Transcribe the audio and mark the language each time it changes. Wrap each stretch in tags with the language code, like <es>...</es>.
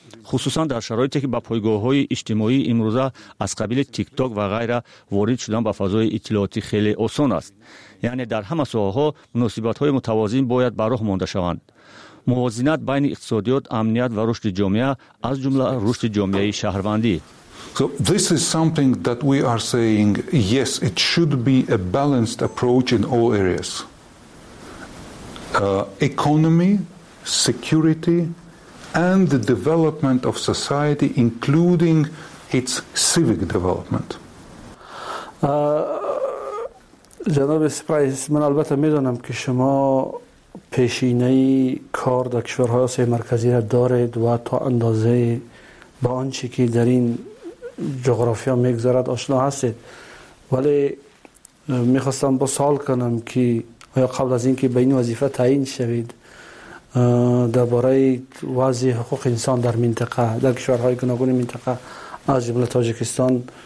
<fa>خصوصا در شرایطی که با پایگاه های اجتماعی امروزه از قبیل تیک تاک و غیره وارد شدن به فضای اطلاعاتی خیلی آسان است. یعنی در همه ساحه ها مناسبت های متوازن باید به راه مانده شوند. موازنت بین اقتصادیات، امنیت و رشد جامعه از جمله رشد جامعه شهروندی.</fa> <en>So this is something that we are saying, yes, it should be a balanced approach in all areas. Economy, security and the development of society, including its civic development.</en> <fa>جناب سپرایز، من البته میدونم که شما پیشینه کار در کشورهای آسیای مرکزی را دارید و تا اندازه با آنچه که در این جغرافیا میگذرد آشنا هستید، ولی میخواستم با سوال کنم که آیا قبل از اینکه به این وظیفه تعیین شوید درباره وضع حقوق انسان در منطقه، در کشورهای گوناگون منطقه از جمله تاجیکستان</fa>